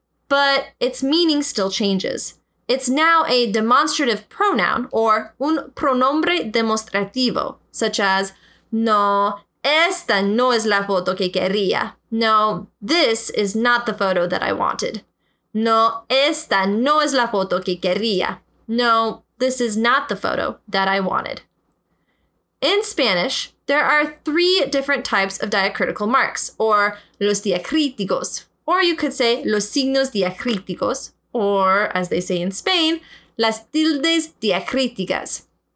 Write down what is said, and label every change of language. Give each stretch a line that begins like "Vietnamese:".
English: But its meaning still changes. It's now a demonstrative pronoun or
Spanish: un pronombre demostrativo,
English: such as,
Spanish: no, esta no es la foto que quería.
English: No, this is not the photo that I wanted.
Spanish: No, esta no es la foto que quería.
English: No, this is not the photo that I wanted. In Spanish, there are three different types of diacritical marks, or
Spanish: los diacríticos,
English: or you could say
Spanish: los signos diacríticos,
English: or as they say in Spain,
Spanish: las tildes diacríticas.